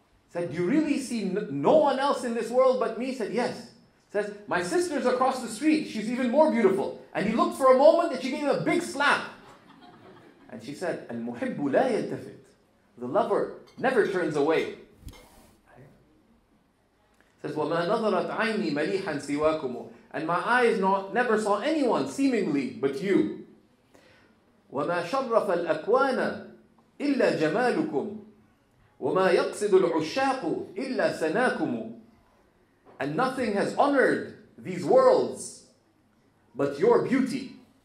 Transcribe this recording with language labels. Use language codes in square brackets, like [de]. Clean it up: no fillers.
[en] Said, do you really see no one else in this world but me? Said, yes. Says, my sister's across the street. She's even more beautiful. And he looked for a moment and she gave him a big slap. And she said, [ar] Al-Muhibbu la yaltafit. [en] The lover never turns away. Says, [ar] وَمَا نَظَرَتْ عَيْنِي مَلِيحًا سِوَاكُمُ. [en] And my eyes never saw anyone seemingly but you. [ar] وَمَا شَرَّفَ الْأَكْوَانَ إِلَّا جَمَالُكُمْ. وَمَا يَقْصِدُ الْعُشَّاقُ إِلَّا سَنَاكُمُ. [en] And nothing has honored these worlds but your beauty.